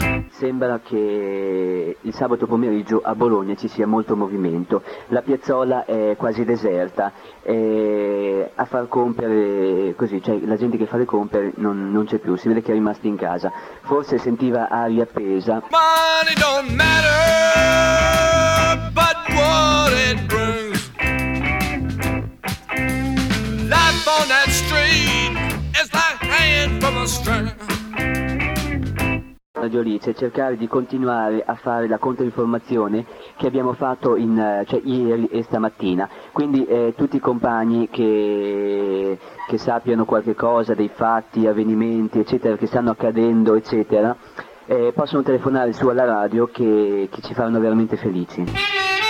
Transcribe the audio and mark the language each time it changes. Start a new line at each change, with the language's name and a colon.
Italian: Sembra che il sabato pomeriggio a Bologna ci sia molto movimento, la piazzola è quasi deserta, e a far compiere così, cioè la gente che fa le compere non c'è più, si vede che è rimasta in casa, forse sentiva aria appesa.
English: Money don't matter, but what it brings. Life on that street is like hanging from a string.
Italian: Radio Alice, cercare di continuare a fare la controinformazione che abbiamo fatto cioè ieri e stamattina. Quindi tutti i compagni che sappiano qualche cosa dei fatti, avvenimenti, eccetera, che stanno accadendo, eccetera, possono telefonare su alla radio che ci faranno veramente felici.